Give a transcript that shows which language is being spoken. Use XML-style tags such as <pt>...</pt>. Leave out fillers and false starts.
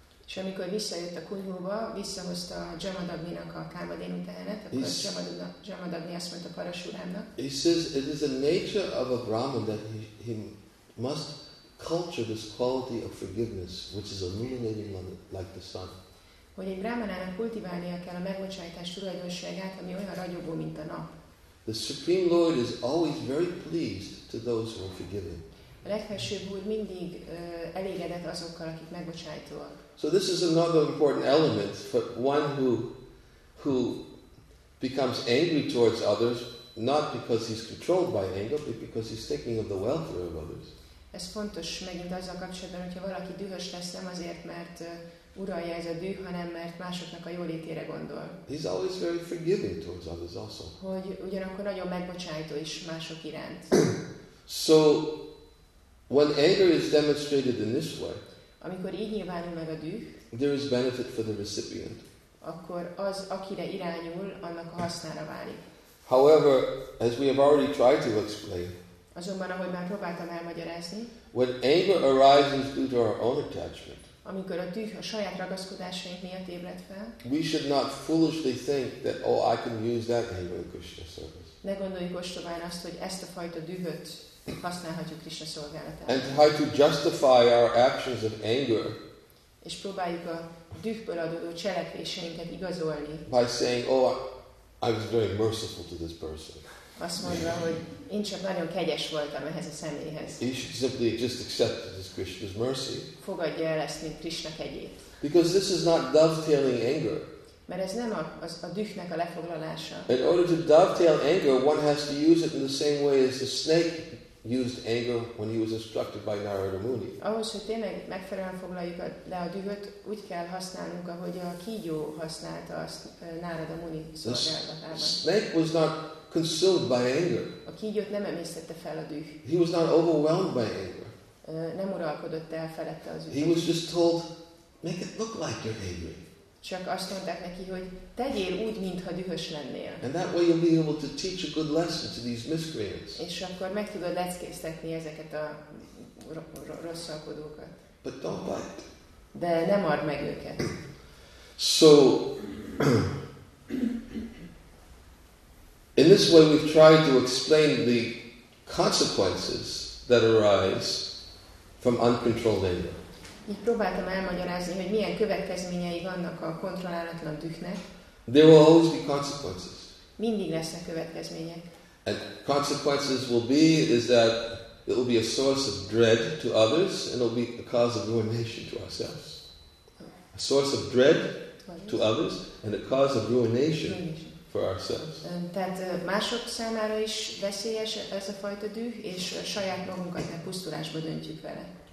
<hu>És amikor visszajött a kunyhóba, visszahozta a Jamadagninak a káma délutánát, akkor Jamadagni azt mondta Parashurámnak.</hu> <en>He says, it is the nature of a Brahman that he must culture this quality of forgiveness, which is illuminating like the sun.</en> <hu>Hogy egy brahmanának kultiválnia kell a megbocsájtás tulajdonságát, ami olyan ragyogó, mint a nap.</hu> <en>The Supreme Lord is always very pleased to those who are forgiving.</en> <hu>A legfelsőbb úr mindig elégedett azokkal, akik megbocsájtóak.</hu> <en>So this is another important element for one who becomes angry towards others, not because he's controlled by anger, but because he's thinking of the welfare of others.</en> <hu>Ez fontos megint azzal kapcsolatban, hogyha valaki dühös lesz, nem azért, mert uralja ez a düh, hanem mert másoknak a jólétére gondol.</hu> <en>He's always very forgiving towards others also.</en> <hu>Hogy ugyanakkor nagyon megbocsájtó is mások iránt.</hu> <en>So when anger is demonstrated in this way,</en> <hu>amikor így nyilvánul meg a düh,</hu> <en>there is benefit for the recipient.</en> <hu>Akkor az, akire irányul, annak a hasznára válik.</hu> <en>However, as we have already tried to explain,</en> <hu>azonban, ahogy már próbáltam elmagyarázni,</hu> <en>when anger arises due to our own attachment,</en> <hu>amikor a düh a saját ragaszkodásaink miatt ébred fel,</hu> <en>we should not foolishly think that, oh, I can use that anger in Krishna service.</en> <hu>Ne gondoljuk ostobán azt, hogy ezt a fajta dühöt használhatjuk Krishna szolgálatára.</hu> <en>And try to justify our actions of anger,</en> <hu>és próbáljuk a dühből adódó cselekvéseinket igazolni,</hu> <en>by saying, oh, I was very merciful to this person.</en> <hu>Azt mondva, hogy én csak nagyon kegyes voltam ehhez a személyhez.</hu> <en>You should simply just accept it as Krishna's mercy.</en> <hu>Fogadja el ezt, mint Krishna kegyét.</hu> <en>Because this is not dovetailing anger.</en> <hu>Mert ez nem a dühnek a lefoglalása.</hu> <en>In order to dovetail anger, one has to use it in the same way as the snake used anger when he was instructed by Narada Muni.</en> <hu>Ahhoz, hogy tényleg megfelelően foglaljuk le a dühöt, úgy kell használnunk, ahogy a kígyó használta azt Narada Muni szolgálatában.</hu> <en>Snake was not consumed by anger.</en> <hu>A kígyót nem emésztette fel a düh.</hu> <en>He was not overwhelmed by anger.</en> <hu>Nem uralkodott el felette az üdvét.</hu> <en>He was just told, make it look like you're angry.</en> <hu>Csak azt mondták neki, hogy tegyél úgy, mintha dühös lennél.</hu> <en>And that way you'll be able to teach a good lesson to these miscreants.</en> <hu>És akkor meg tudod leckésztetni ezeket a rosszalkodókat.</hu> <en>But don't bite.</en> <hu>De ne mard meg őket.</hu> <en>So, in this way we've tried to explain the consequences that arise from uncontrolled anger.</en> <hu>Így próbáltam elmagyarázni, hogy milyen következményei vannak a kontrollálatlan dühnek.</hu> <en>There will always be consequences.</en> <hu>Mindig lesznek következmények.</hu> <en>And consequences will be is that it will be a source of dread to others and it will be a cause of ruination to ourselves. A source of dread to others and a cause of ruination for ourselves.</en> <hu>Tehát mások számára is veszélyes ez a fajta düh, és saját magunkat elpusztulásba döntjük vele.</hu>